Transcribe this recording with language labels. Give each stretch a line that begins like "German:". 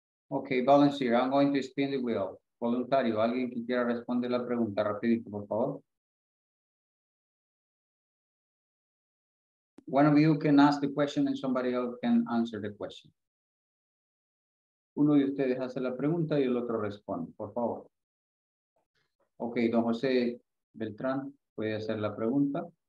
English: Okay, volunteer, I'm going to spin the wheel.
Spanish: Voluntario, alguien que quiera responder la pregunta rapidito, por favor.
English: One of you can ask the question and somebody else can answer the question.
Spanish: Uno de ustedes hace la pregunta y el otro responde, por favor. Okay, don José Beltrán puede hacer la pregunta.